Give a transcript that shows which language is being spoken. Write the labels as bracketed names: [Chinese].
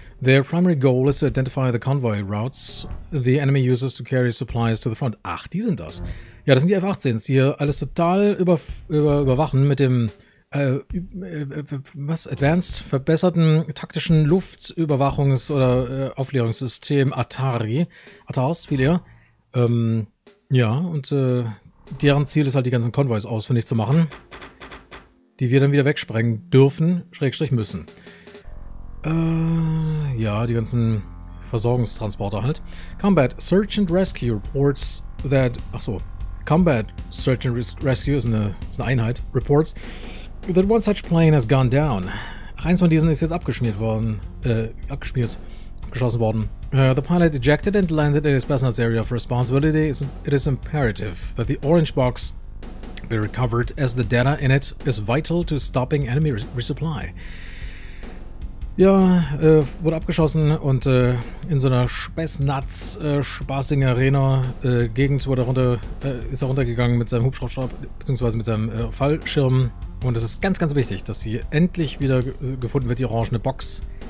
[English] Their primary goal is to identify the convoy routes the enemy uses to carry supplies to the front. [German] Ach, die sind das. Ja, das sind die F-18s, die hier alles total überwachen mit dem Advanced, verbesserten taktischen Luftüberwachungs- oder Aufklärungssystem ATARS, viel eher. Deren Ziel ist halt, die ganzen Konvois ausfindig zu machen, die wir dann wieder wegsprengen dürfen, / müssen. Die ganzen Versorgungstransporter halt. [English] Combat Search and Rescue reports that... [German] Achso, [English] Combat Search and Rescue [German] ist eine Einheit, [English] reports... That one such plane has gone down. [German] Eins von diesen ist jetzt abgeschossen worden. [English] The pilot ejected and landed in his personal area of responsibility. It is imperative that the orange box be recovered, as the data in it is vital to stopping enemy resupply. [German] Ja, wurde abgeschossen und in so einer spaßigen Arena Gegend wurde ist er runtergegangen mit seinem Hubschrauber bzw. mit seinem Fallschirm. Und es ist ganz, ganz wichtig, dass sie endlich wieder gefunden wird, die orangene Box.